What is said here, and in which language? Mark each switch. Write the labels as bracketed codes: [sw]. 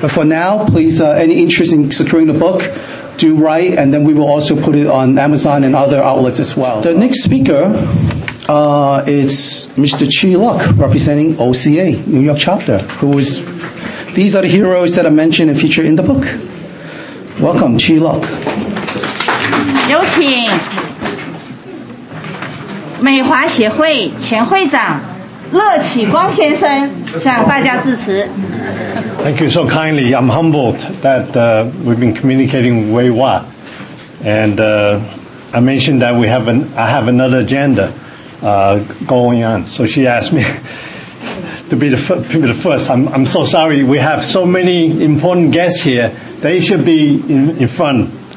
[en] But for now, please, any interest in securing the book, do write, and then we will also put it on Amazon and other outlets as well. The next speaker is Mr. Chi Luck, representing OCA, New York Chapter, who is, these are the heroes that are mentioned and featured in the book. Welcome, Chi Luck. [zh] 有请美华协会前会长乐启光先生向大家致辞。 [en] Thank you so kindly. I'm humbled that we've been communicating way well. And I mentioned that I have another agenda going on. So she asked me to be the first. I'm so sorry. We have so many important guests here. They should be in front.